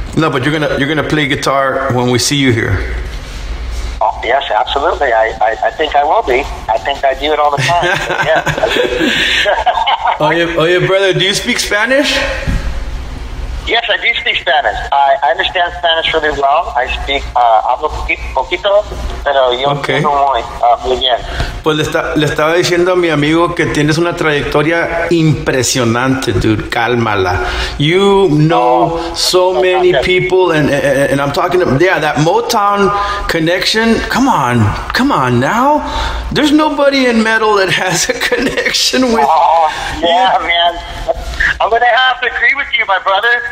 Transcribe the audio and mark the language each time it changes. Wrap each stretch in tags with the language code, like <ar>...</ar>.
<en>No, but you're gonna play guitar when we see you here. Oh, yes, absolutely. I think I will be. I think I do it all the time. Yeah. Oh, yeah, brother, do you speak Spanish? Yes, I do speak Spanish. I understand Spanish really well. I speak</en> <es>hablo poquito, pero yo entiendo muy bien. Pues le estaba diciendo a mi amigo que tienes una trayectoria impresionante, dude. Cálmala.</es> <en>You know so many people, and I'm talking to, yeah, that Motown connection. Come on now. There's nobody in metal that has a connection with. Oh, yeah, man. I'm gonna have to agree with you, my brother.</en>